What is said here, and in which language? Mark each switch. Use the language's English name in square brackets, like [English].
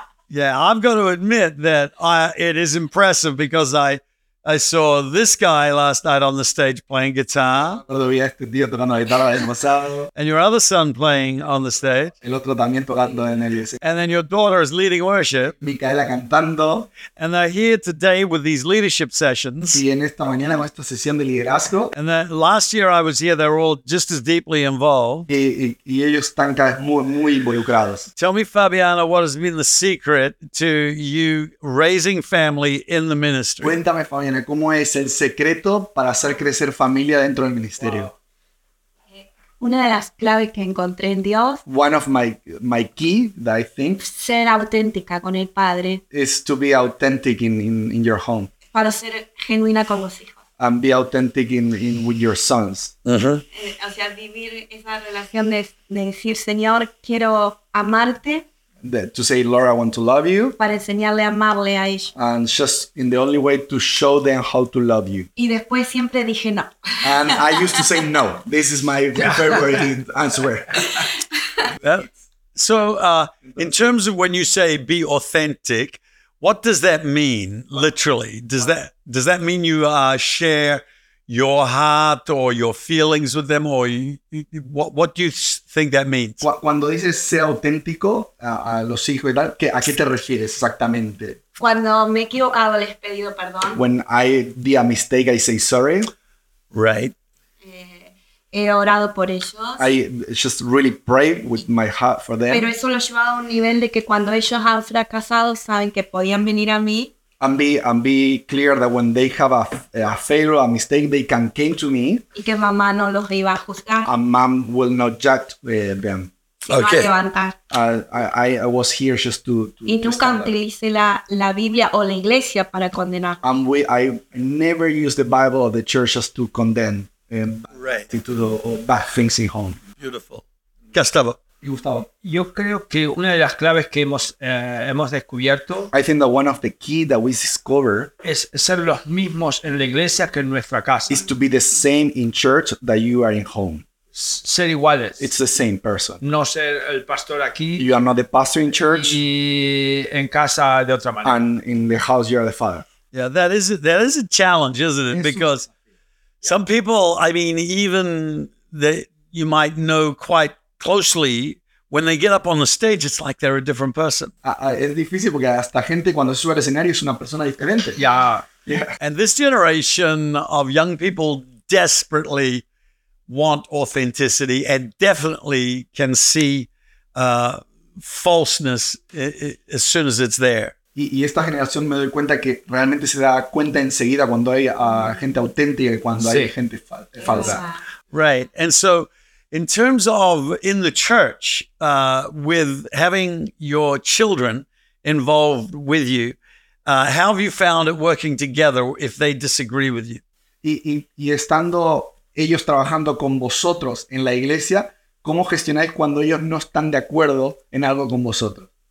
[English] Yeah, I've got to admit that it is impressive because I saw this guy last night on the stage playing guitar. And your other son playing on the stage. [Spanish] El otro también tocando en el escenario. [English] And then your daughter is leading worship. [Spanish] Micaela cantando. [English] And they're here today with these leadership sessions. [Spanish] Y en esta mañana con esta sesión de liderazgo. [English] And then last year I was here, they were all just as deeply involved. [Spanish] Y ellos están cada vez muy, muy involucrados. [English] Tell me, Fabiana, what has been the secret to you raising family in the ministry? [Spanish] Cuéntame, Fabiana. ¿Cómo es el secreto para hacer crecer familia dentro del ministerio? Wow. Una de las claves que encontré en Dios. [English] One of my key that I think. [Spanish] Ser auténtica con el padre. [English] Is to be authentic in your home. [Spanish] Para ser genuina con los hijos. [English] And be authentic in with your sons. [Spanish] O sea, vivir esa relación de decir, Señor, quiero amarte. [English] To say, Lord, I want to love you. [Spanish] Para enseñarle a amarle a ellos. [English] And just in the only way to show them how to love you. [Spanish] Y después siempre dije no. [English] And I used to say no. This is my favorite answer. So in terms of when you say be authentic, what does that mean literally? Does that mean you share your heart or your feelings with them, or what do you think that means? [Spanish] Cuando dices sea auténtico a los hijos y tal, ¿a qué te refieres exactamente? Cuando me he equivocado, les he pedido perdón. [English] When I did a mistake, I say sorry. Right. [Spanish] He orado por ellos. [English] I just really pray with my heart for them. [Spanish] Pero eso lo lleva a un nivel de que cuando ellos han fracasado, saben que podían venir a mí. [English] And be clear that when they have a failure, a mistake, they can come to me. [Spanish] Y que mamá no los iba a juzgar. [English] And mom will not judge them. Okay. I was here just to [Spanish] y nunca utilicé la Biblia o la iglesia para condenar. [English] And I never use the Bible or the church just to condemn. Right. To do bad things in home. Beautiful. Gustavo. [Spanish] Gustavo, yo creo que una de las claves que hemos descubierto, [English] I think that one of the key that we discover, [Spanish] es ser los mismos en la iglesia que en nuestra casa. [English] Is to be the same in church that you are in home. [Spanish] Ser iguales. [English] It's the same person. [Spanish] No ser el pastor aquí. [English] You are not the pastor in church. [Spanish] Y en casa de otra manera. [English] And in the house you are the father. Yeah, that is a challenge, isn't it? Because some people, I mean, even that you might know quite closely, when they get up on the stage, it's like they're a different person. [Spanish] Es difícil porque hasta gente cuando sube al escenario es una persona diferente. [English] Yeah. And this generation of young people desperately want authenticity and definitely can see falseness as soon as it's there. [Spanish] Y esta generación me doy cuenta que realmente se da cuenta enseguida cuando hay gente auténtica y cuando hay gente falsa. [English] Right. And so, in terms of in the church, with having your children involved with you, how have you found it working together if they disagree with you? [Spanish] Y estando ellos trabajando con vosotros en la iglesia, ¿cómo gestionáis cuando ellos no están de acuerdo en algo con vosotros?